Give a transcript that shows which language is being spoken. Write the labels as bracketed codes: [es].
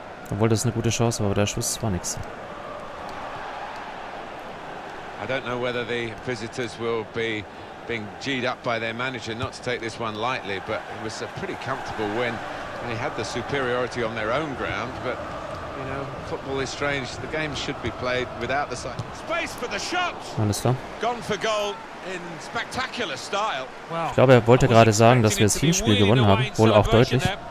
[de] Obwohl das eine gute Chance war, aber der Schuss war nichts. [en] I don't know whether the visitors will be being G'd up by their manager not to take this one lightly, but it was a pretty comfortable win. They had the superiority on their own ground, but you know, football is strange. The game should be played without the side. Space for the shot. [de] Alles klar. [en] Gone for goal in spectacular style. [de] Ich glaube, er wollte gerade sagen, dass wir das Hinspiel gewonnen haben, wohl auch deutlich.